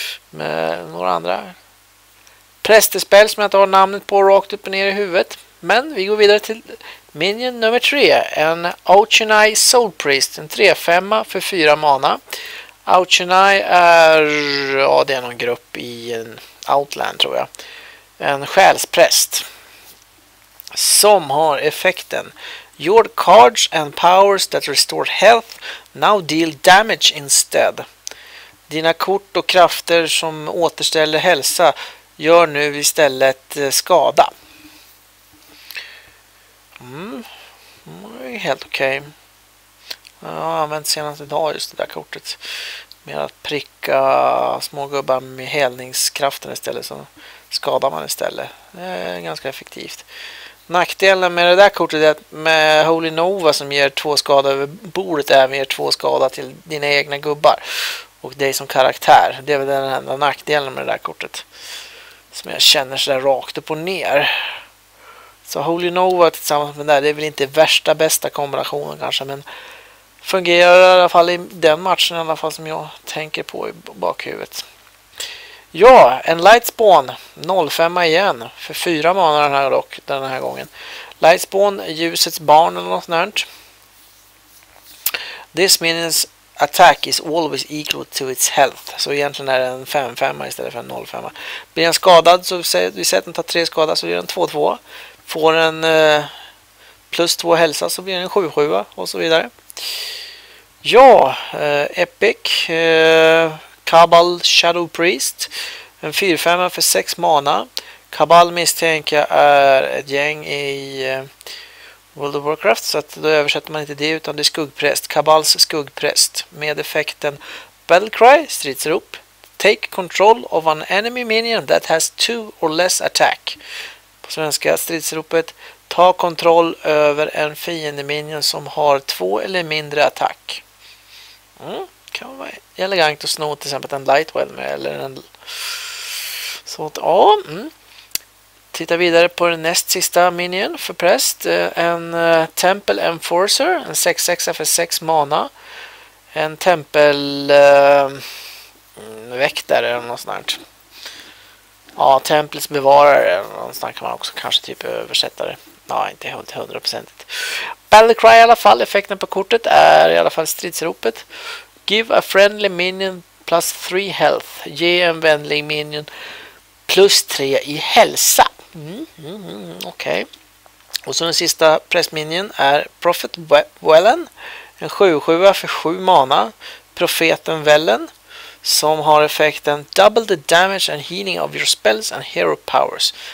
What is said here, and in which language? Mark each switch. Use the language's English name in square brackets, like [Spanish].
[Swedish] Med några andra. Prästespel som jag inte har namnet på rakt upp och ner i huvudet. Men vi går vidare till minion nummer 3. En Auchinai Soul Priest. En 3-5 för 4 mana. Auchinai är, ja, det är någon grupp i en Outland tror jag. En själspräst. Som har effekten. [English] Your cards and powers that restore health now deal damage instead. [Swedish] Dina kort och krafter som återställer hälsa gör nu istället skada. Det är helt okej. Okay. Jag har använt senast idag just det där kortet. Med att pricka små gubbar med helningskraften istället så skadar man istället. Det är ganska effektivt. Nackdelen med det där kortet är att med Holy Nova som ger 2 skada över bordet även ger 2 skada till dina egna gubbar och dig som karaktär. Det är väl den enda nackdelen med det där kortet som jag känner sådär rakt upp och ner. Så Holy Nova tillsammans med det där, det är väl inte värsta bästa kombinationen kanske, men fungerar i alla fall i den matchen i alla fall som jag tänker på i bakhuvudet. Ja, en Lightspawn, 0-5 igen, för 4 mana den här dock, den här gången. Lightspawn, ljusets barn eller något sånt. [English] This minions attack is always equal to its health. [Swedish] Så egentligen är det en 5-5 istället för en 0-5. Blir en skadad, så vi säger att den tar 3 skada, så blir den 2-2. Får en plus 2 hälsa, så blir den en 7-7 och så vidare. Ja, Epic. Kabal Shadow Priest. En 4-5 för 6 mana. Kabal misstänker jag är ett gäng i World of Warcraft. Så att då översätter man inte det utan det är skuggpräst. Kabals skuggpräst. Med effekten Battlecry, stridsrop. [English] Take control of an enemy minion that has 2 or less attack. [Swedish] På svenska stridsropet. Ta kontroll över en fiende minion som har 2 eller mindre attack. Kan vara elegant att sno till exempel en lightwell med eller en sånt. Ja. Titta vidare på den näst sista minion för präst. En Temple Enforcer. En 6-6 för 6 mana. En Temple Väktare eller något sånt. Ja, Templets Bevarare. Någonstans kan man också kanske typ översätta det. Ja, inte helt 100%. Battlecry i alla fall. Effekten på kortet är i alla fall stridsropet. [English] Give a friendly minion plus 3 health. [Swedish] Ge en vänlig minion plus 3 i hälsa. Okej. Och så den sista pressminion är Prophet Wellen. En 7-7 för 7 mana. Profeten Wellen. Som har effekten [English] double the damage and healing of your spells and hero powers.